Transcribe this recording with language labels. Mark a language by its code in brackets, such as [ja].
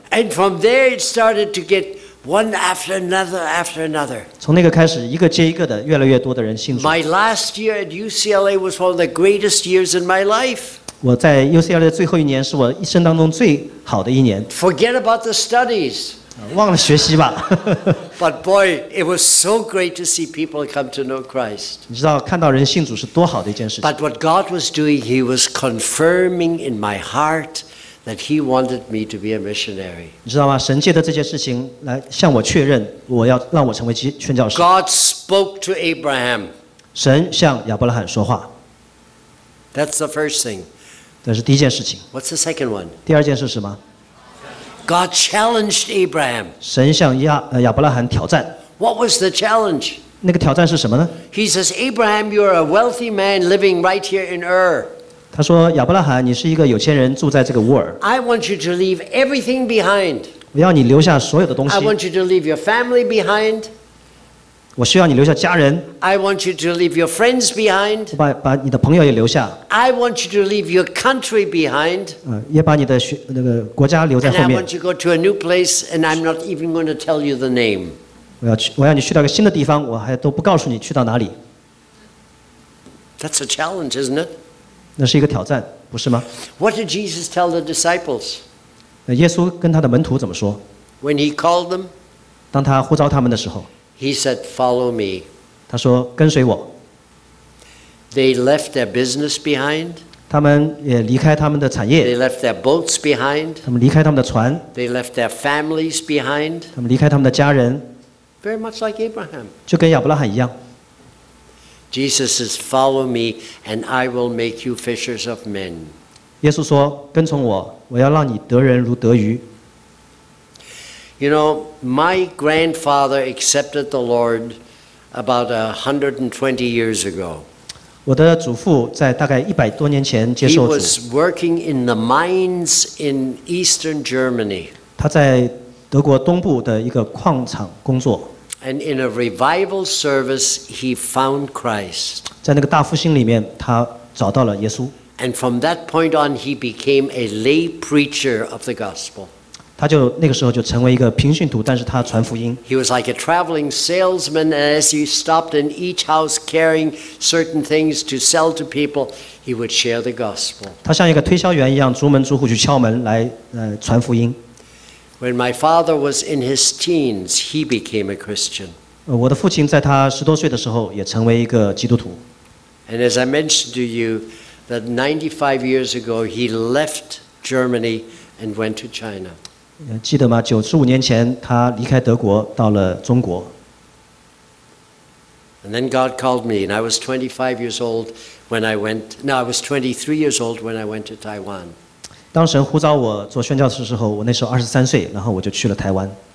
[en] And from there, it started to get one after another after another. [zh] 从那个开始，一个接一个的，越来越多的人信主。 [en] My last year at UCLA was one of the greatest years in my life. [zh] 我在 UCLA 的最后一年是我一生当中最好的一年。 [en] Forget about the studies. [zh] 忘了学习吧。 [en] But boy, it was so great to see people come to know Christ. [zh] 你知道看到人信主是多好的一件事情。 [en] But what God was doing, He was confirming in my heart. That he wanted me to be a missionary. [zh] 你知道吗？神借着这件事情来向我确认，我要让我成为宣教士。 [en] God spoke to Abraham. [zh] 神向亚伯拉罕说话。 [en] That's the first thing. [zh] 这是第一件事情。 [en] What's the second one? [zh] 第二件事是什么 [en] ？God challenged Abraham. [zh] 神向亚伯拉罕挑战。 [en] What was the challenge? [zh] 那个挑战是什么呢 [en] ？He says, Abraham, you're a wealthy man living right here in Ur. [zh] 他说：“亚伯拉罕，你是一个有钱人，住在这个乌尔。 [en] I want you to leave everything behind. [zh] 我要你留下所有的东西。 [en] I want you to leave your family behind. [zh] 我需要你留下家人。 [en] I want you to leave your friends behind. [zh] 把你的朋友也留下。 [en] I want you to leave your country behind. [zh] 也把你的那个国家留在后面。 [en] And I want you to go to a new place, and I'm not even going to tell you the name. [zh] 我要你去到一个新的地方，我还都不告诉你去到哪里。 [en] That's a challenge, isn't it? [zh] 那是一个挑战，不是吗 [en] ？What did Jesus tell the disciples？ [zh] 耶稣跟他的门徒怎么说 [en] ？When he called them， [zh] 当他呼召他们的时候 [en] ，He said， "Follow me." [zh] 他说跟随我。 [en] They left their business behind。 [zh] 他们也离开他们的产业。 [en] They left their boats behind. [zh] 他们离开他们的船。 [en] They left their families behind. [zh] 他们离开他们的家人。 [en] Very much like Abraham. [zh] 就跟亚伯拉罕一样。 [en] Jesus says, "Follow me, and I will make you fishers of men." [zh] 耶稣说：“跟从我，我要让你得人如得鱼。” [en] You know, my grandfather accepted the Lord about 120 years ago. [zh] 我的祖父在大概一百多年前接受主。 [en] He was working in the mines in eastern Germany. [zh] 他在德国东部的一个矿场工作。 [en] And in a revival service, he found Christ. [zh] 在那个大复兴里面，他找到了耶稣。 [en] And from that point on, he became a lay preacher of the gospel. [zh] 他就那个时候就成为一个平信徒，但是他传福音。 [en] He was like a traveling salesman, and as he stopped in each house carrying certain things to sell to people, he would share the gospel. [zh] 他像一个推销员一样，逐门逐户去敲门来传福音。 [en] When my father was in his teens, he became a Christian. [zh] 我的父亲在他十多岁的时候也成为一个基督徒。 [en] And as I mentioned to you, that 95 years ago, he left Germany and went to China. [zh] 记得吗？ 95年前他离开德国到了中国。 [en] And then God called me, and I was 25 years old when I went. No, I was 23 years old when I went to Taiwan. [zh] 当神呼召我做宣教士的时候，我那时候23岁，然后我就去了台湾。